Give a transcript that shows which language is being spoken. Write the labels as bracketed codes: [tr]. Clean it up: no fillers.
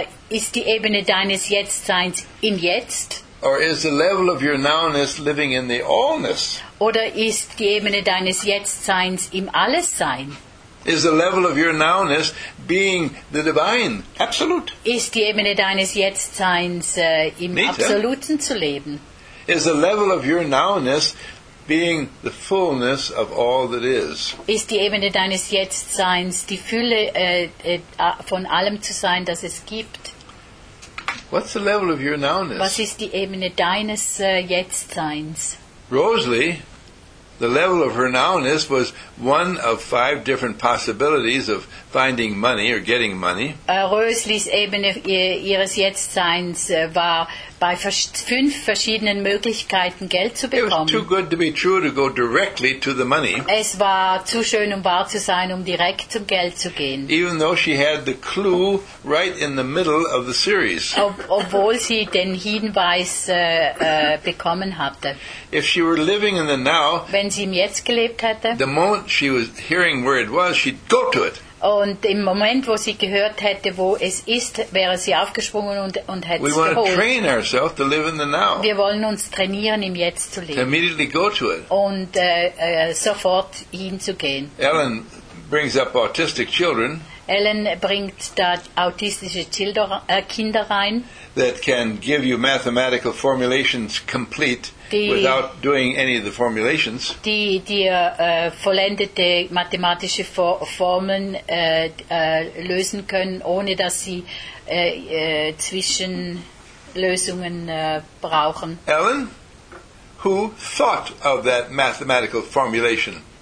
[de] Ist die Ebene deines Jetztseins im Jetzt? [en] Or is the level of your nowness living in the allness? [de] Oder ist die Ebene deines Jetztseins im Allessein? [en] Is the level of your nowness being the divine, absolute? [de] Ist die Ebene deines Jetztseins im Absoluten zu leben? [en] Is the level of your nowness being the fullness of all that is. [de] Ist die Ebene deines Jetztseins die Fülle von allem zu sein, das es gibt? [en] What's the level of your nowness? [de] Was ist die Ebene deines Jetztseins? [en] Rosalie, the level of her nowness was one of five different possibilities of finding money or getting money. [de] Rosalies Ebene ihres Jetztseins war bei fünf verschiedenen Möglichkeiten Geld zu bekommen. [en] It was too good to be true to go directly to the money. [de] Es war zu schön um wahr zu sein, um direkt zum Geld zu gehen. [en] Even though she had the clue right in the middle of the series. [de] Obwohl sie den Hinweis bekommen hatte. [en] If she were living in the now, [de] wenn sie im Jetzt gelebt hätte, [en] the moment she was hearing where it was, she'd go to it. [de] Und im Moment, wo sie gehört hätte, wo es ist, wäre sie aufgesprungen und hätte es geholt. [en] We want to train ourselves to live in the now. [de] Wir wollen uns trainieren, im Jetzt zu leben. [en] To immediately go to it. [de] Und sofort hinzugehen. [en] Ellen brings up autistic children. [de] Ellen bringt da autistische Kinder rein. [en] That can give you mathematical formulations complete. Without doing any of the formulations, [de] die vollendete mathematische Formeln lösen können, ohne dass sie Zwischenlösungen brauchen. [en] Ellen, who thought of that mathematical formulation?